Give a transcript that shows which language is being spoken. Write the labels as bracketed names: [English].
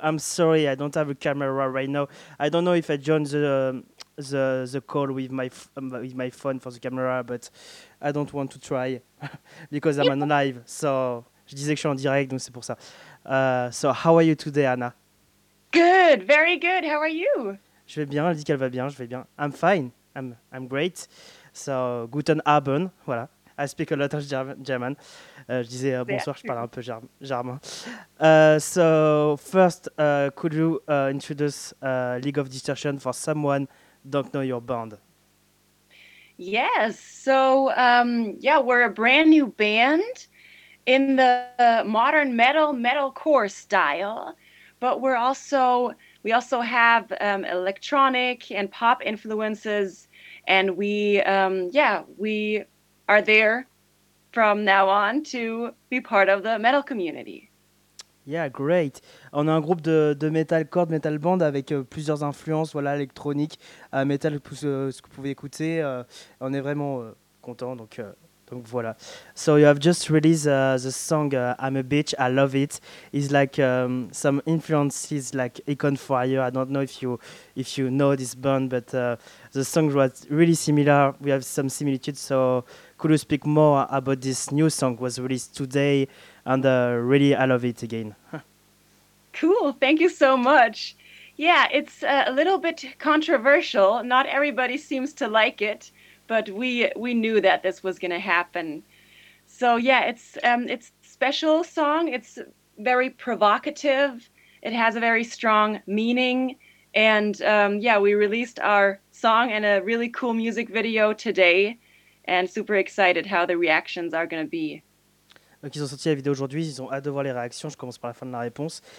[English] I'm sorry, I don't have a camera right now. I don't know if I joined the call with my phone for the camera, but I don't want to try because I'm on live. [French] So, je disais que je suis en direct, donc c'est pour ça. [English] So, how are you today, Anna? Good, very good. How are you? [French] Je vais bien. Elle dit qu'elle va bien. Je vais bien. [English] I'm fine. I'm great. So, [German] guten Abend. [English] Voilà. I speak a lot of German. [French] Je disais bonsoir. Je parle un peu germain. [English] So, first, could you introduce League of Distortion for someone don't know your band? Yes. So, yeah, we're a brand new band. in the modern metalcore style, but we also have electronic and pop influences, and we are there from now on to be part of the metal community. Yeah, great. [French] On a un groupe de metalcore, de metal band avec plusieurs influences, voilà, électronique, metal, ce que vous pouvez écouter. On est vraiment content, donc voilà. [English] So you have just released the song "I'm a Bitch." I love it. It's like some influences, like Icon Fire. I don't know if you know this band, but the song was really similar. We have some similitudes. So could you speak more about this new song was released today? And really, I love it again. Cool. Thank you so much. Yeah, it's a little bit controversial. Not everybody seems to like it, but we knew that this was going to happen. So yeah, it's special song. It's very provocative. It has a very strong meaning. And yeah, we released our song and a really cool music video today. And super excited how the reactions are going to be. [French] Donc ils ont sorti la vidéo aujourd'hui, ils ont hâte de voir les réactions, je commence par la fin de la réponse.